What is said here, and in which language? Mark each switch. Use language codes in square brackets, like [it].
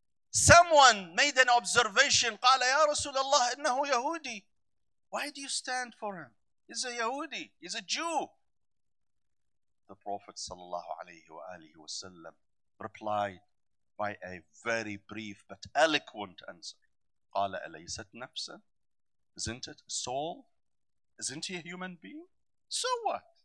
[en] Someone made an observation. [ar] قال يا رسول الله إنه يهودي. [en] Why do you stand for him? He's a Yahudi. He's a Jew. The Prophet sallallahu alayhi wa alihi wa sallam replied by a very brief but eloquent answer. [ar] قال أليست نفسا? [en] Isn't it a soul? Isn't he a human being? So what?